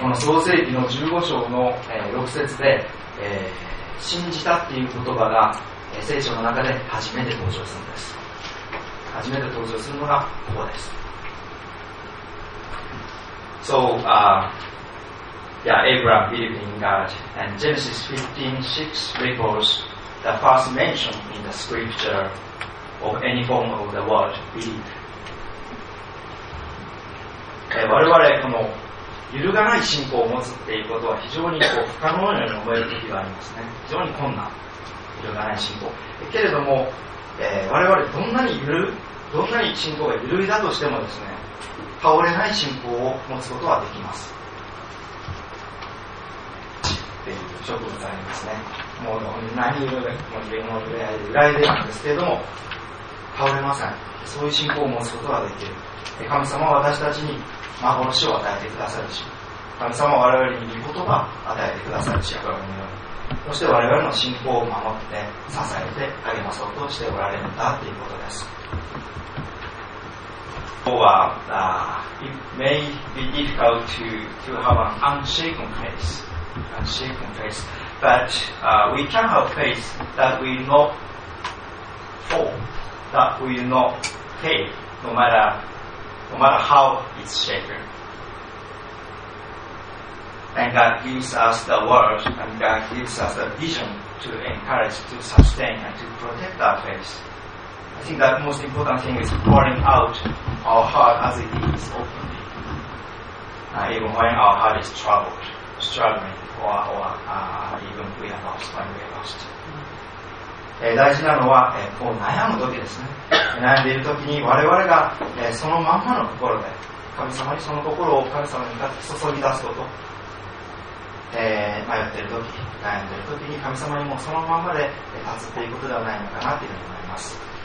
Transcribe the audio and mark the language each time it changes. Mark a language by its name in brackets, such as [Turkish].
[Japanese] この創世記の15章の6節で、信じたっていう言葉が聖書の中で初めて登場するんです。初めて登場するのがここです。 [English] So, Abraham believed in God, and Genesis 15:6 records the first mention in the scripture of any form of the word belief. [Japanese] 我々この揺るがない信仰を持つっていうことは非常にこう不可能なように思える時がありますね。非常に困難、揺るがない信仰。けれども、我々どんなに信仰が緩いだとしてもですね、倒れない信仰を持つことはできます。という植物がありますね。もうどんなに揺らいでなんですけれども、倒れません。そういう信仰を持つことができる。神様は私たちに幻を与えてくださるし、神様は我々に御言葉を与えてくださるし、そして我々の信仰を守って、支えて励まそうとしておられるんだということです。 [English] Or it may be difficult to have an unshaken faith, but we can have faith that will not fall, that will not fail, no matter how it's shaken. And God gives us the word, and God gives us the vision to encourage, to sustain, and to protect our faith. I think that most important thing is pouring out our heart as it is openly. Even when our heart is troubled, struggling, or even we are lost, when we are lost. [Japanese] 大事なのは、こう悩む時ですね。悩んでいる時に我々が、そのまんまの心で、神様にその心を神様に注ぎ出すこと。迷っている時、悩んでいる時に神様にもそのまんまで立つっていうことではないのかなというふうに思います。